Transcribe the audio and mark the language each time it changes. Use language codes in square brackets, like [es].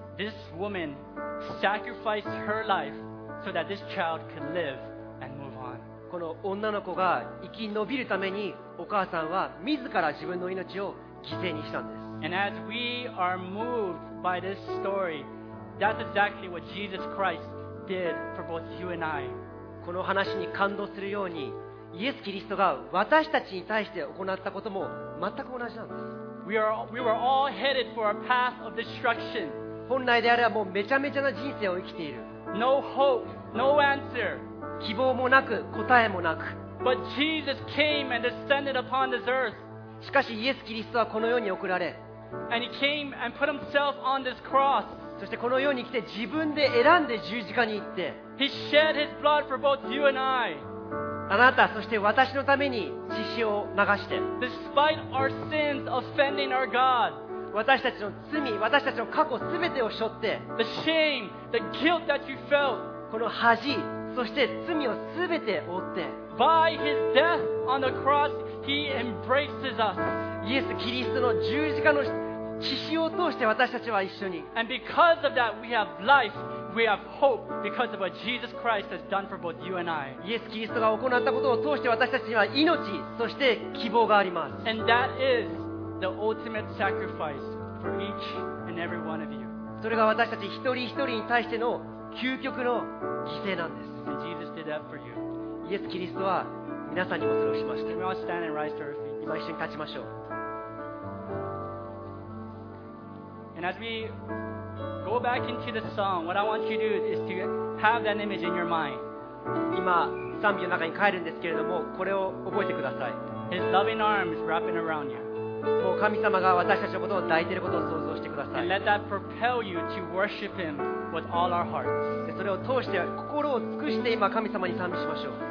[en] This woman sacrificed her life so that this child could live and move on. [ja] この女の子が生き延びるためにお母さんは自ら自分の命を犠牲にしたんです。 [en] And as we are moved by this story, that's exactly what Jesus Christ did for both you and I. [ja] この話に感動するようにイエス・キリストが私たちに対して行ったことも全く同じなんです。 [en] We were all headed for a path of destruction. [ja] 本来であればもうめちゃめちゃな人生を生きている。 [en] No hope, no answer. [ja] 希望もなく答えもなく。 [en] But Jesus came and descended upon this earth. [ja] しかしイエス・キリストはこの世に送られ。 [en] And he came and put himself on this cross. [ja] そしてこの世に来て自分で選んで十字架に行って。 [en] He shed his blood for both you and I. [ja] あなたそして私のために血潮を流して、 [en] Despite our sins offending our God, [ja] 私たちの罪、私たちの過去全てを背負って、 [en] The shame, the guilt that you felt, [ja] この恥そして罪を全て負って、 [en] By his death on the cross, he embraces us. [ja] イエス・キリストの十字架の血潮を通して私たちは一緒に、 [en] And because of that we have lifeWe have hope because of what Jesus Christ has done for both you and I. [ja] イエス・キリストが行ったことを通して私たちには命、そして希望があります。 [en] And that is the ultimate sacrifice for each and every one of you. [ja] それが私たち一人一人に対しての究極の犠牲なんです。 [en] And Jesus did that for you. [ja] イエス・キリストは皆さんにもそれをしました。 [en] We all stand and rise to our feet. [ja] 今一緒に立ちましょう。 [en] And as we... Go back into the song. What I want you to do is to have that image in your mind. [ja] 今賛美の中に帰るんですけれども、これを覚えてください。 [en] His loving arms wrapping around you. [ja] もう神様が私たちのことを抱いていることを想像してください。 [en] And let that propel you to worship Him with all our hearts. [ja] で、それを通して心を尽くして今神様に賛美しましょう。